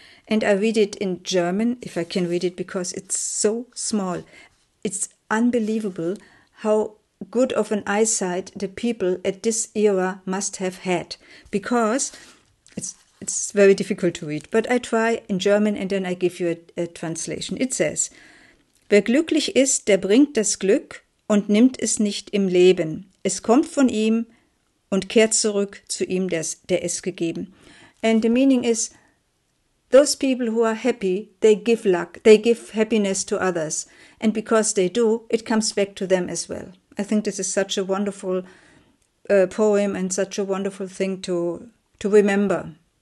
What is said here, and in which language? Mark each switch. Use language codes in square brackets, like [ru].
[en] And I read it in German, if I can read it, because it's so small. It's unbelievable how good of an eyesight the people at this era must have had, because it's very difficult to read. But I try in German and then I give you a translation. [de] It says, "Wer glücklich ist, der bringt das Glück und nimmt es nicht im Leben. Es kommt von ihm und kehrt zurück zu ihm, der es gegeben." [en] And the meaning is, those people who are happy, they give luck, they give happiness to others. And because they do, it comes back to them as well. I think this is such a wonderful poem and such a wonderful thing to remember.